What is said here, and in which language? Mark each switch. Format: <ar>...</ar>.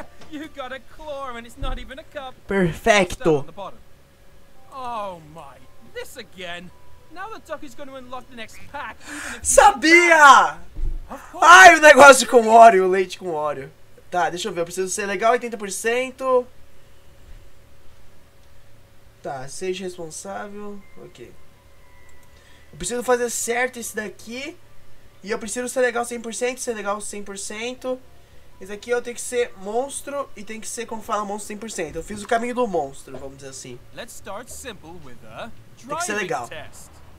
<en>You got a claw and it's not even a cup.</en> <pt>Perfecto.</pt> <en>Oh my, this again. Now the duck is going to unlock the next pack.</en> <pt>Sabia! Ai, o negócio com óleo, o leite com óleo. Tá, deixa eu ver, eu preciso ser legal 80%. Tá, seja responsável. Ok. Eu preciso fazer certo esse daqui. E eu preciso ser legal 100%. Ser legal 100%. Esse aqui eu tenho que ser monstro. E tem que ser, como fala, monstro 100%. Eu fiz o caminho do monstro, vamos dizer assim.</pt> <en>Let's start simple with a driving.</en> <pt>Tem que ser legal.</pt> <en>Test.</en>